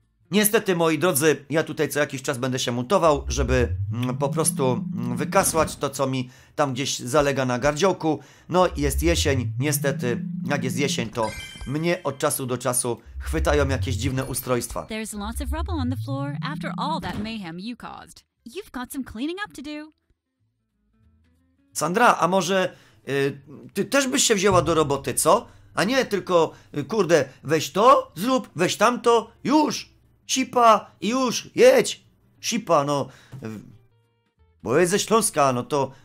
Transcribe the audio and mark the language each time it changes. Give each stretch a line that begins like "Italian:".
Polish: Niestety, moi drodzy, ja tutaj co jakiś czas będę się mutował, żeby po prostu wykasłać to, co mi tam gdzieś zalega na gardziołku. No i jest jesień, niestety, jak jest jesień, to mnie od czasu do czasu chwytają jakieś dziwne ustrojstwa.
English: There's lots of rubble on the floor after all that mayhem you caused. You've got some cleaning up to do.
Polish: Sandra, a może ty też byś się wzięła do roboty, co? A nie tylko, kurde, weź to, zrób, weź tamto, już! Sipa i już, jedź! Sipa, no... Bo jest ze Śląska, no to...